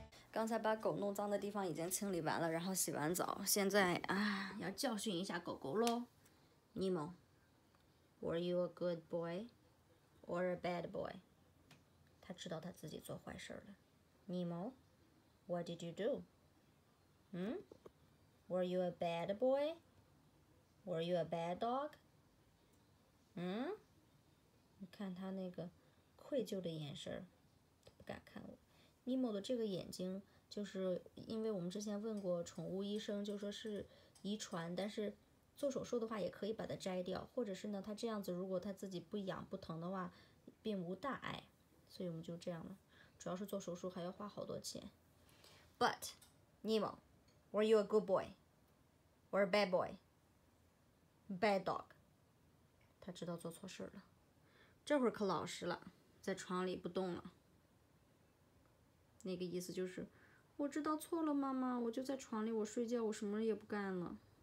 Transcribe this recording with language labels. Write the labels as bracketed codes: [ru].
[zh] 刚才把狗弄脏的地方已经清理完了，然后洗完澡，现在啊要教训一下狗狗咯。 [en] Nemo, were you a good boy or a bad boy? [zh] 他知道他自己做坏事了。 [en] Nemo, what did you do? Were you a bad boy? Were you a bad dog? [zh] 你看他那个愧疚的眼神，他不敢看我。 Nemo 的这个眼睛，就是因为我们之前问过宠物医生，就说是遗传，但是做手术的话也可以把它摘掉，或者是呢他这样子如果他自己不痒不疼的话并无大碍，所以我们就这样了，主要是做手术还要花好多钱。 [en] But Nemo, were you a good boy or a bad boy? Bad dog. [zh] 他知道做错事了，这会儿可老实了，在床里不动了，那个意思就是我知道错了，妈妈，我就在床里，我睡觉，我什么也不干了。